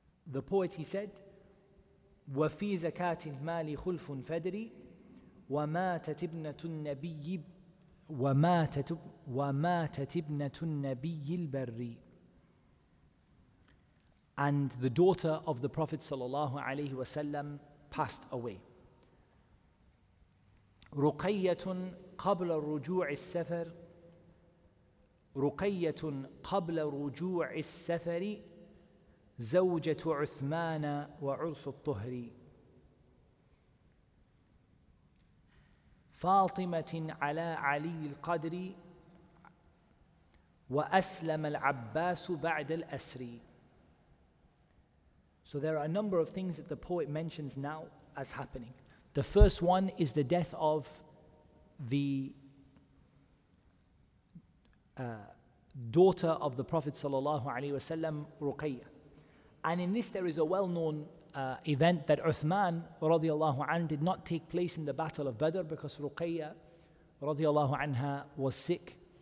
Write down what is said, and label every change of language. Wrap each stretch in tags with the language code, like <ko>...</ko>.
<en>The poet, he said,</en> <ar>وَفِي زَكَاتِ الْمَالِ خُلْفٌ فَدْرِي وَمَاتَتِبْنَةُ النَّبِيِّ الْبَرِّي.</ar> <en>And the daughter of the Prophet sallallahu alayhi wa sallam passed away.</en> <ar>رُقَيَّةٌ قَبْلَ رُجُوعِ السَّفَرِ رقية قبل رجوع السفر زوجة عثمان وعرس الطهري فاطمة على علي القدر وأسلم العباس بعد الأسري.</ar> <en>So there are a number of things that the poet mentions now as happening. The first one is the death of the daughter of the Prophet sallallahu alaihi wasallam, Ruqayya. And in this there is a well-known event that Uthman radiallahu anhu did not take place in the battle of Badr because Ruqayya radiallahu anha was sick.</en>